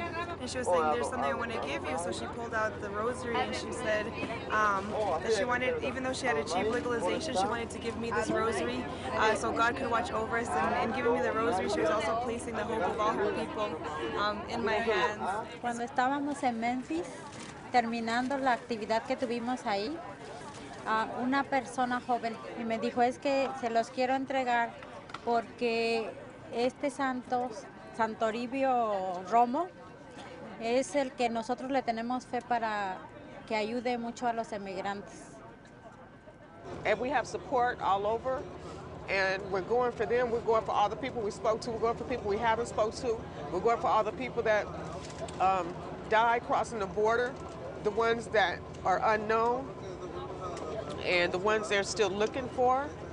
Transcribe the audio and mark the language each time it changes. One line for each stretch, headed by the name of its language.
English: And she was saying, there's something I want to give you. So she pulled out the rosary, and she said that she wanted, even though she had achieved legalization, she wanted to give me this rosary so God could watch over us. And giving me the rosary, she was also placing the hope of all her people in my hands.
Spanish: Cuando estábamos en Memphis, terminando la actividad que tuvimos ahí, una persona joven y me dijo, es que se los quiero entregar porque este santo, Santo Toribio Romo, es el que nosotros le tenemos fe para que ayude mucho a los emigrantes.
English: And we have support all over, and we're going for them, we're going for all the people we spoke to, we're going for people we haven't spoke to, we're going for all the people that die crossing the border, the ones that are unknown, and the ones they're still looking for.